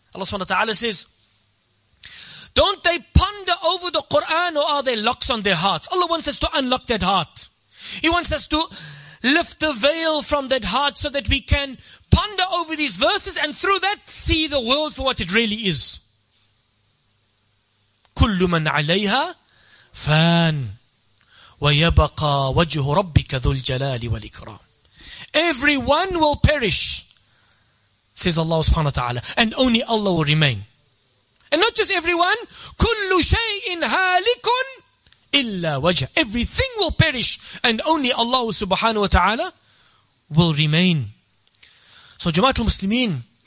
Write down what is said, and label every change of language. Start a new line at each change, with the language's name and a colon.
English: Allah subhanahu wa ta'ala says, don't they ponder over the Quran, or are there locks on their hearts? Allah wants us to unlock that heart. He wants us to lift the veil from that heart so that we can ponder over these verses and through that see the world for what it really is.
Arabic: كل من عليها فان ويبقى وجه ربك ذو الجلال والإكرام.
English: Everyone will perish, says Allah subhanahu wa ta'ala, and only Allah will remain. And not just everyone,
Arabic: كل شيء هالك illa wajah.
English: Everything will perish, and only Allah subhanahu wa ta'ala will remain. So Jamaatul Muslimin,